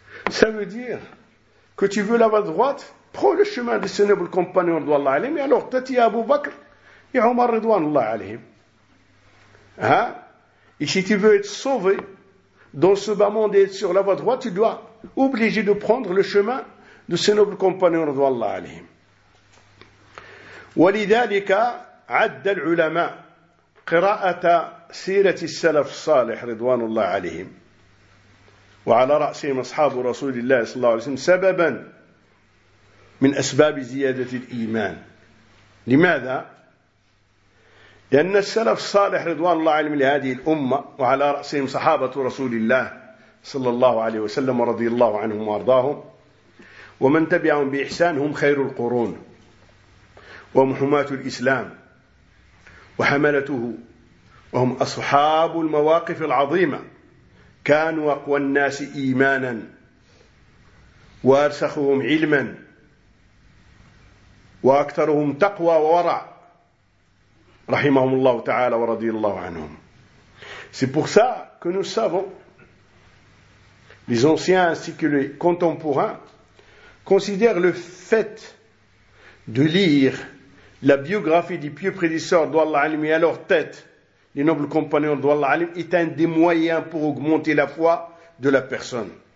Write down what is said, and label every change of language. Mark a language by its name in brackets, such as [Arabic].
[French] Ça veut dire que tu veux la voie droite, prends le chemin de ce noble compagnon de Allah alayhim, et alors tu as dit Abu Bakr et Omar [Arabic] Ridwan Allah alayhim. [French] Et si tu veux être sauvé dans ce bas monde et être sur la voie droite, tu dois obligé de prendre le chemin de ce noble compagnon de Allah alayhim. [Arabic] ولذلك عد العلماء قراءة سيرة السلف الصالح رضوان الله عليهم وعلى رأسهم أصحاب رسول الله صلى الله عليه وسلم سببا من أسباب زيادة الإيمان. لماذا؟ لأن السلف الصالح رضوان الله عليهم لهذه الأمة وعلى رأسهم صحابة رسول الله صلى الله عليه وسلم ورضي الله عنهم وأرضاهم ومن تبعهم بإحسان هم خير القرون ومحماة الإسلام وحملته وهم أصحاب المواقف العظيمة كانوا أقوى الناس إيمانا وأرسخهم علما وأكثرهم تقوى وورع رحمهم الله تعالى ورضي الله عنهم. [French] C'est pour ça que nous savons, les anciens ainsi que les contemporains considèrent le fait de lire la biographie des pieux prédécesseurs d'Allah Alim et à leur tête les nobles compagnons d'Allah Alim est un des moyens pour augmenter la foi de la personne.